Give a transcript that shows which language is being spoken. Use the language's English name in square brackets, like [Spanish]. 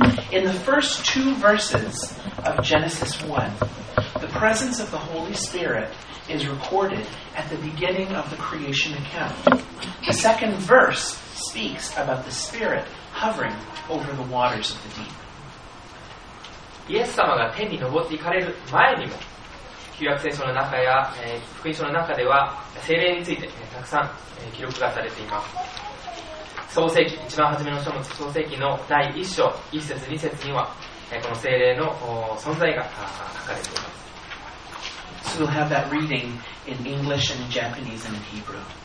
[English] In the first two verses of Genesis 1, the presence of the Holy Spirit is recorded at the beginning of the creation account. The second verse speaks about the Spirit hovering over the waters of the deep. [Japanese] イエス様が天に登って行かれる前にも、旧約聖書の中や、福音書の中では聖霊について、たくさん、記録がされています。創世記、一番初めの書物、創世記の第1章、1節、2節には、この聖霊の存在が書かれています。 [English] So we'll have that reading in English and in Japanese and in Hebrew.